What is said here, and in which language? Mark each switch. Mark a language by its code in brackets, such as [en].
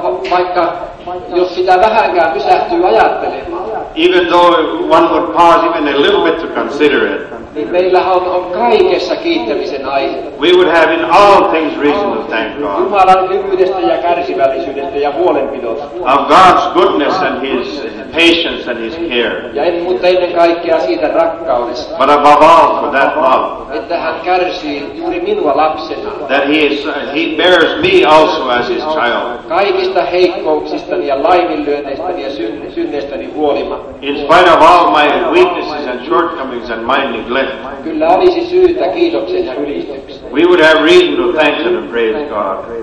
[fi] Vaikka jos sitä vähänkään pysähtyy ajattelemaan. [en] Even though one would pause even a little bit to consider it. [fi] Meillähän on kaikessa kiittämisen aihe. [en] We would have in all things reason to thank God. [fi] Jumalan hyvyydestä ja kärsivällisyydestä ja huolenpidosta. [en] Of God's goodness and his patience and his care. [fi] Ja mutta ennen kaikkea siitä rakkaudesta. [en] But above all for that love. [fi] Että hän kärsii juuri minua lapsena. [en] That he bears me also as his child. [fi] Kaikista heikkouksistani ja laiminlyönteistäni ja synneistäni huolimatta. [en] In spite of all my weaknesses and shortcomings and my neglect. [fi] Kyllä olisi syytä kiitoksen ja ylistyksen. [en] We would have reason to thank and praise God.